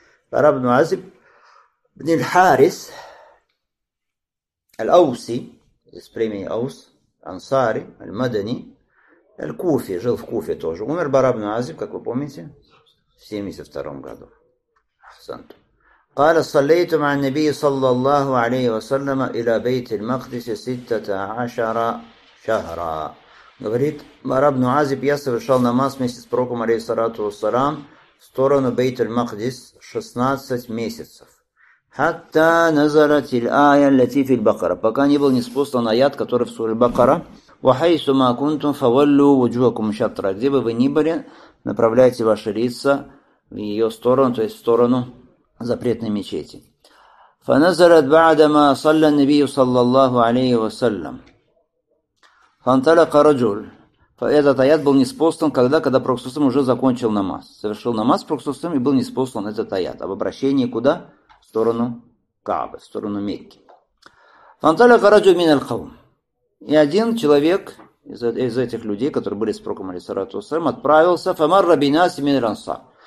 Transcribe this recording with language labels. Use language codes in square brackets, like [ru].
[ru] Бара ибн Азиб ибн аль-Харис аль-Ауси из племени Аус, Ансари, аль-Мадани, аль-Куфи, жил в Куфе тоже. Умер Бара ибн Азиб, как вы помните, в 72-м году. [ar] Ахсанту. قال صليت مع النبي صلى الله عليه وسلم إلى بيت المقدس 16 شهرا. [ru] Говорит, Бара ибн Азиб, я совершал намаз вместе с пророком алейхиссалату вассалам в сторону Бейт аль-Макдис 16 месяцев. [ar] Хатта назалат аль-ая аллати фи аль-Бакара. [ru] Пока не был ниспослан аят, который в суре аль-Бакара. [ar] Ва хайсу ма кунтум фаваллу вуджухакум шаттра. [ru] Где бы вы ни были, направляйте ваши лица в ее сторону, то есть в сторону запретной мечети. [ar] فنزلت بعدما صلى النبي صلى الله عليه وسلم. فانطلق رجل. [ru] Этот аят был ниспослан, когда Пророк Сусам уже закончил намаз. Совершил намаз Пророк Сусам и был ниспослан этот аят. Об обращении куда? В сторону Каабы, в сторону Мекки. [ar] فانطلق رجل من القوم. [ru] И один человек из этих людей, которые были с Пророком алейхиссалату вассалам, отправился [ar] فمر بناس من الأنصار.